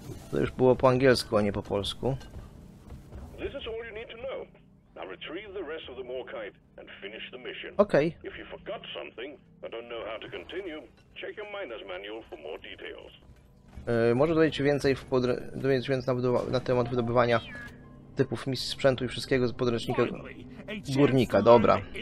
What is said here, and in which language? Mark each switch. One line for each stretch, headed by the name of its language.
Polish: To już było po angielsku, a nie po polsku.
English: This is all you need to know. Now retrieve the rest of the Morkite and finish the mission. Okay. If you forgot something and don't know how to continue, check your miner's manual for more details.
Polish: Może dowiedzieć się więcej w na temat wydobywania typów misji sprzętu i wszystkiego z podręcznika górnika. Dobra.